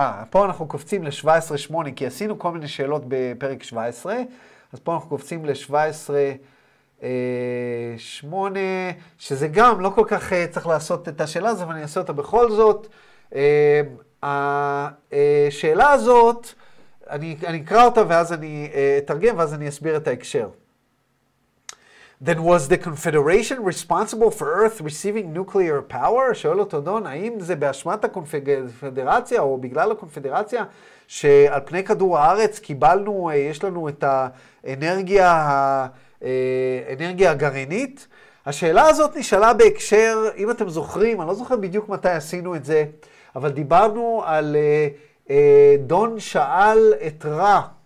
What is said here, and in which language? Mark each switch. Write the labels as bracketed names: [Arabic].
[Hebrew] פה אנחנו קופצים ל-17-8, כי עשינו כל מיני שאלות בפרק 17, אז פה אנחנו קופצים ל-17-8, שזה גם לא כל כך צריך לעשות את השאלה הזאת, אבל אני אעשה אותה בכל זאת. השאלה הזאת, אני אקרא אותה ואז אני אתרגם ואז אני אסביר את ההקשר. [English] Then was the confederation responsible for Earth receiving nuclear power? [Hebrew] שואל אותו דון, האם זה באשמת הקונפדרציה או בגלל הקונפדרציה שעל פני כדור הארץ קיבלנו, יש לנו את האנרגיה, האנרגיה הגרעינית? השאלה הזאת נשאלה בהקשר, אם אתם זוכרים, אני לא זוכר בדיוק מתי עשינו את זה, אבל דיברנו על דון שאל את רע